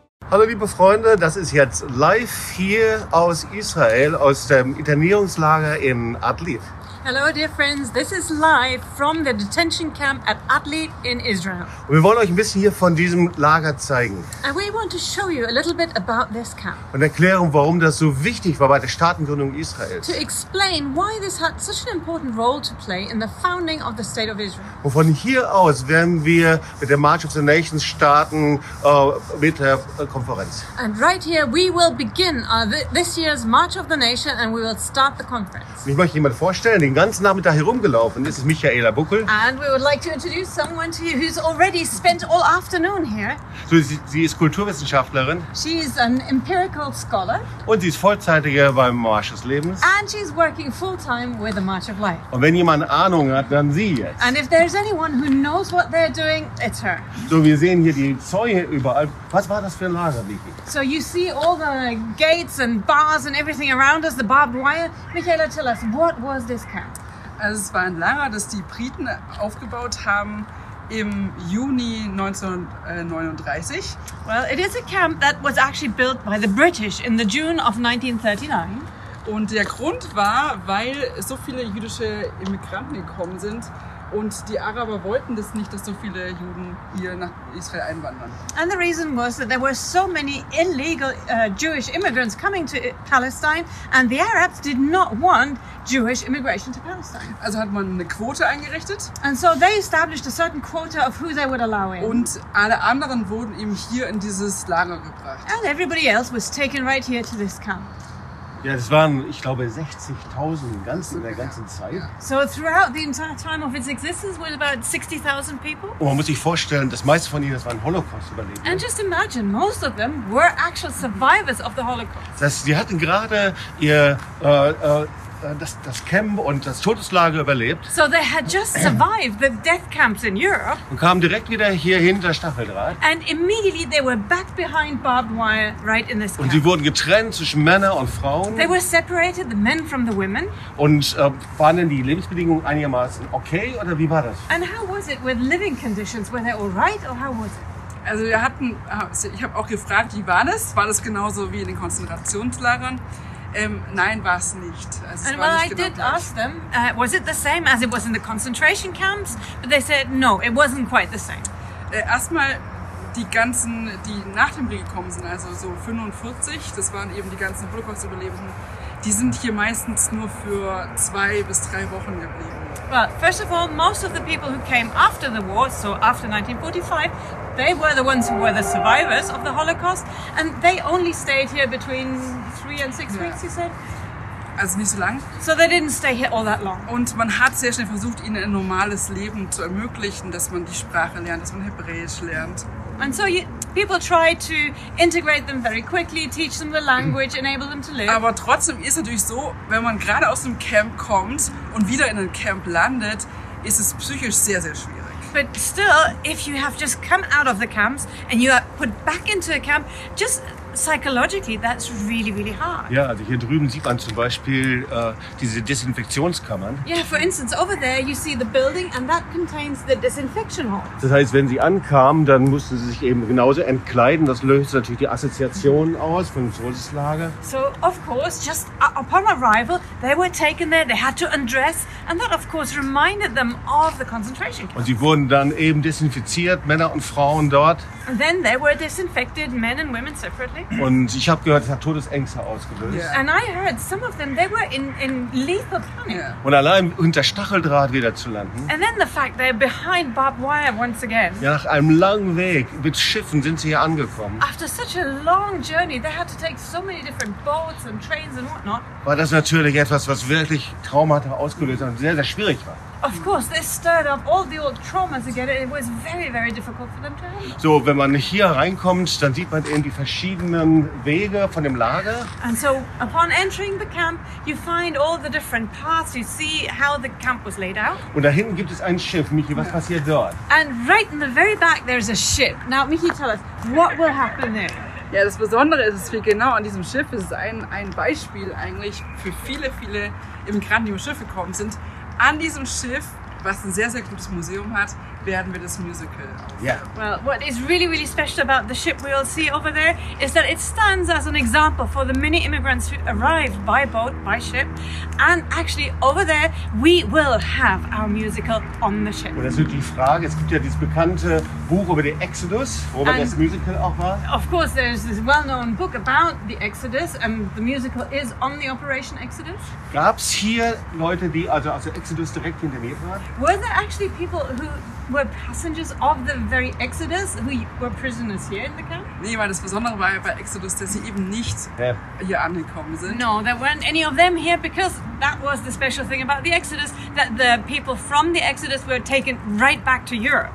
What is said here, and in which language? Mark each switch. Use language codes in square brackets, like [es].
[de] Hallo liebe Freunde, das ist jetzt live hier aus Israel, aus dem Internierungslager in Atlit. [en] Hello dear friends, this is live from the detention camp at Atlit in Israel. [de] Und wir wollen euch ein bisschen hier von diesem Lager zeigen. [en] And we want to show you a little bit about this camp. [de] Und erklären, warum das so wichtig war bei der Staatengründung Israels. [en] To explain why this had such an important role to play in the founding of the state of Israel. [de] Und von hier aus werden wir mit der March of the Nations starten mit der Konferenz. [en] And right here we will begin this year's March of the Nations and we will start the conference. [de] Ich möchte jemand vorstellen. Den ganzen Nachmittag herumgelaufen ist es Michaela Buckel. [en] And we would like to introduce someone to you who's already spent all afternoon here. [de] So, sie ist Kulturwissenschaftlerin. [en] She is an empirical scholar. [de] Und sie ist vollzeitige beim March des Lebens. [en] And she's working full-time with the March of Life. [de] Und wenn jemand Ahnung hat, dann sie jetzt. [en] And if there's anyone who knows what they're doing, it's her. [de] So, wir sehen hier die Zäune überall. Was war das für ein Lager, Michi? [en] So, you see all the gates and bars and everything around us, the barbed wire. Michaela, tell us, what was this? [de] Also es war ein Lager, das die Briten aufgebaut haben im Juni 1939. [en] Well, it is a camp that was actually built by the British in the June of 1939. [de] Und der Grund war, weil so viele jüdische Immigranten gekommen sind und die Araber wollten das nicht, dass so viele Juden hier nach Israel einwandern. [en] And the reason was that there were so many illegal Jewish immigrants coming to Palestine and the Arabs did not want Jewish immigration to Palestine. [de] Also hat man eine Quote eingerichtet. [en] And so they established a certain quota of who they would allow in. [de] Und alle anderen wurden eben hier in dieses Lager gebracht. [en] And everybody else was taken right here to this camp. [de] Ja, das waren, ich glaube, 60.000 in der ganzen Zeit. [en] So throughout the entire time of its existence was about 60.000 people. [de] Und man muss sich vorstellen, das meiste von ihnen, das waren Holocaust-Überlebende. [en] And just imagine, most of them were actual survivors of the Holocaust. [de] Das, die hatten gerade ihr das Camp und das Todeslager überlebt. [en] So they had just survived the death camps in Europe. [de] Und kamen direkt wieder hier hinter Stacheldraht. [en] And immediately they were back behind barbed wire right in this camp. [de] Und sie wurden getrennt zwischen Männer und Frauen. [en] They were separated, the men from the women. [de] Und waren denn die Lebensbedingungen einigermaßen okay oder wie war das? [en] And how was it with living conditions? Were they all right or how was it? [de] Also wir hatten, ich habe auch gefragt, wie war das? War das genauso wie in den Konzentrationslagern? Nein, war es nicht. [en] Also, and well, I did ask them, was it the same as it was in the concentration camps? But they said, no, it wasn't quite the same. [de] Erstmal die ganzen, die nach dem Krieg gekommen sind, also so 45, das waren eben die ganzen Holocaust-Überlebenden, die sind hier meistens nur für 2 bis 3 Wochen geblieben. [en] Well, first of all, most of the people who came after the war, so after 1945, they were the ones who were the survivors of the Holocaust and they only stayed here between 3 and 6 yeah. weeks, you said? [de] Also nicht so lang. [en] So they didn't stay here all that long. [de] Und man hat sehr schnell versucht, ihnen ein normales Leben zu ermöglichen, dass man die Sprache lernt, dass man Hebräisch lernt. [en] And so people try to integrate them very quickly, teach them the language, enable them to live. [de] Aber trotzdem ist es natürlich so, wenn man gerade aus dem Camp kommt und wieder in ein Camp landet, ist es psychisch sehr, sehr schwierig. [en] But still, if you have just come out of the camps and you are put back into a camp, just psychologically, that's really, really hard. [de] Ja, also hier drüben sieht man zum Beispiel diese Desinfektionskammern. [en] Yeah, for instance, over there you see the building and that contains the disinfection hall. [de] Das heißt, wenn sie ankamen, dann mussten sie sich eben genauso entkleiden. Das löst natürlich die Assoziationen aus von dem Todeslager. [en] So, of course, just upon arrival, they were taken there, they had to undress and that, of course, reminded them of the concentration camp. [de] Und sie wurden dann eben desinfiziert, Männer und Frauen dort. [en] And then they were disinfected, men and women separately. [de] Und ich habe gehört, es hat Todesängste ausgelöst. [en] Yeah. And I heard some of them, they were in lethal panic. Yeah. [de] Und allein unter Stacheldraht wieder zu landen. [en] And then the fact they're behind barbed wire once again. [de] Ja, nach einem langen Weg mit Schiffen sind sie hier angekommen. [en] After such a long journey, they had to take so many different boats and trains and whatnot. [de] War das natürlich etwas, was wirklich Traumata ausgelöst hat und sehr, sehr schwierig war. [en] Of course, this stirred up all the old traumas again. It was very, very difficult for them to handle. [de] So, wenn man hier reinkommt, dann sieht man eben die verschiedenen Wege von dem Lager. [en] And so, upon entering the camp, you find all the different paths. You see how the camp was laid out. [de] Und da hinten gibt es ein Schiff. Michi, was passiert dort? [en] And right in the very back, there's a ship. Now, Michi, tell us, what will happen there? [de] Ja, das Besondere ist, dass wir genau an diesem Schiff, es ist ein Beispiel eigentlich für viele, viele Immigranten, die im Schiff gekommen sind. An diesem Schiff was ein sehr, sehr gutes Museum hat, werden wir das Musical aufführen. [en] Yeah. Well, what is really, really special about the ship we'll see over there is that it stands as an example for the many immigrants who arrived by boat, by ship. And actually, over there, we will have our musical on the ship. [de] Und das ist wirklich die Frage. Es gibt ja dieses bekannte Buch über den Exodus, wo man das Musical auch war. [en] Of course, there's this well-known book about the Exodus, and the musical is on the Operation Exodus. [de] Gab's hier Leute, die also aus der Exodus direkt hinter mir waren? [en] Were there actually people who were passengers of the very Exodus, who were prisoners here in the camp? [de] Nee, weil das Besondere war bei Exodus, dass sie eben nicht hier angekommen sind. [en] No, there weren't any of them here, because that was the special thing about the Exodus, that the people from the Exodus were taken right back to Europe.